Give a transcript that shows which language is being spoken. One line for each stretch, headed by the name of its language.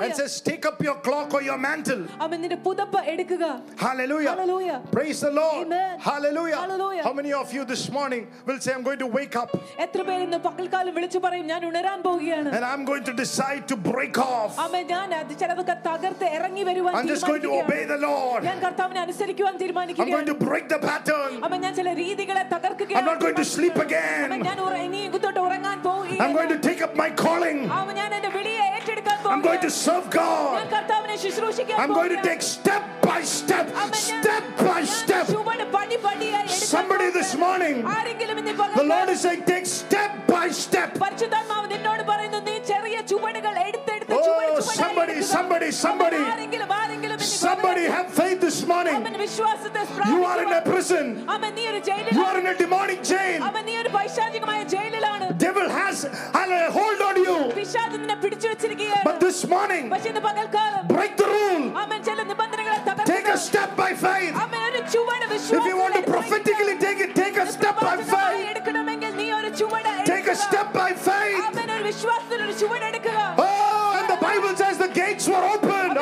English: And says, take up your cloak or your mantle.
Malayalam: Amen. നിന്റെ പുതപ്പ് എടുക്കുക.
English: Hallelujah. Hallelujah. Praise the Lord. Amen. Hallelujah. Hallelujah. How many of you this morning will say, I'm going to wake up.
Malayalam: എത്ര പേർ ഇന്ന് പകൽക്കാലം വിളിച്ചു പറയും, ഞാൻ ഉണരാൻ പോവുകയാണ്.
English: And I'm going to decide to break off. Amen.
Malayalam: ഞാൻ അത് ചിലവൊക്കെ തകർത്ത് ഇറങ്ങി വരുവാൻ
English: തീരുമാനിക്കുന്നു. I'm just going to obey the Lord.
Malayalam: ഞാൻ കർത്താവിനെ അനുസരിക്കുവാൻ തീരുമാനിക്കുകയാണ്.
English: I'm going to break the pattern.
Malayalam: Amen. ഞാൻ ചില രീതികളെ തകർക്കുകയാണ്.
English: I'm not going to sleep again.
Malayalam: ഞാൻ ഇനിയിങ്ങോട്ട് ഉറങ്ങാൻ പോവുകയാണ്.
English: I'm going to take up my calling.
Malayalam: Amen. ഞാൻ എൻ്റെ വിളിയെ ഏറ്റെടുക്കാൻ
English: പോവുകയാണ്. I'm going to serve God.
Malayalam: ഞാൻ കർത്താവിനെ ശുശ്രൂഷിക്കാൻ
English: പോവുകയാണ്. I'm going to take step by step. Step by step. Somebody this morning, the Lord is saying, take step by step.
Malayalam: പരിശുദ്ധാത്മാവ് നിന്നോട് പറയുന്നു, നീ ചെറിയ ചുവടുകൾ എടുത്തെടുത്ത്
English: somebody somebody have faith this morning.
Malayalam: അമ്മ വിശ്വാസത്തെ
English: സ്ഥാപിക്കുക. You are in a prison.
Malayalam: അമ്മ നീ ഒരു ജയിലിലാണ്.
English: You are in a demonic jail.
Malayalam: അമ്മ നീ ഒരു പൈശാചികമായ ജയിലിലാണ്.
English: Devil has hold on you.
Malayalam: പിശാച് നിന്നെ പിടിച്ചു വെച്ചിരിക്കുകയാണ്.
English: But this morning,
Malayalam: പക്ഷേ ഇന്ന് പകൽക്കാലം,
English: break the rule.
Malayalam: അമ്മ ചില നിബന്ധനകളെ തകർക്കുക.
English: Take a step by faith.
Malayalam: അമ്മ ഒരു ചുവട് വിശ്വാസം.
English: If you want to prophetically take a step by faith.
Malayalam: എടുക്കണമെങ്കിൽ നീ ഒരു ചുവട് എടുക്കുക.
English: Take a step by faith.
Malayalam: അമ്മ ഒരു വിശ്വാസത്തിൽ ഒരു ചുവട് എടുക്കുക.
English: Oh, and the Bible says the gates were opened.